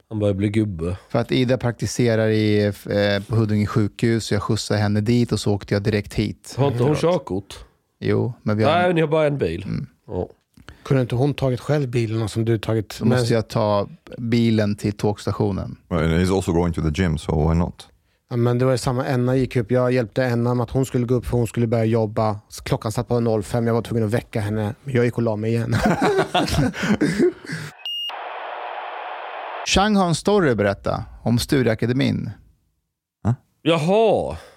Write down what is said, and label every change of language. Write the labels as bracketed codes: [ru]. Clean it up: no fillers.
[sv] Han börjar bli gubbe. För att Ida praktiserar på Huddinge sjukhus. Jag skjutsade henne dit och så åkte jag direkt hit. Har inte hon körkort? Jo, men vi har... Nej, ni har bara en bil. Mm. Oh. Kunde inte hon tagit själv bilen som du tagit? Då måste jag ta bilen till tågstationen. [en] Well, he's also going to the gym, so why not? [sv] Ja, men det var samma. Enna gick upp. Jag hjälpte Enna med att hon skulle gå upp för hon skulle börja jobba. Klockan satt på 05. Jag var tvungen att väcka henne. Men jag gick och la mig igen. Chang har en story att berätta om studieakademin. Jaha!